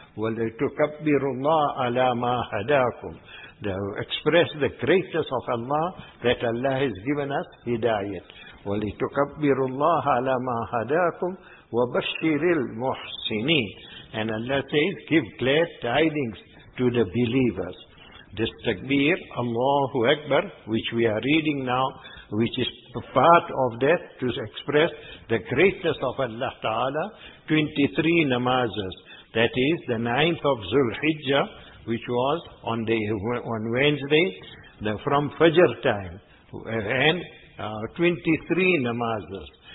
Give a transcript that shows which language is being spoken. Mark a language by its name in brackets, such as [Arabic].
[Arabic] وَلَتُكَبِّرُ ala ma hadakum. [English] Express the greatness of Allah, that Allah has given us hidayat. [Arabic] وَلِتُكَبِّرُ اللَّهَ عَلَى مَا هَدَاكُمْ وَبَشِّرِ الْمُحْسِنِينَ. [English] And Allah says, give glad tidings to the believers. This takbir, Allahu Akbar, which we are reading now, which is part of that to express the greatness of Allah Ta'ala, 23 namazes. That is the 9th of Zulhijjah, which was on the on Wednesday, the, from Fajr time, and 23 namazes.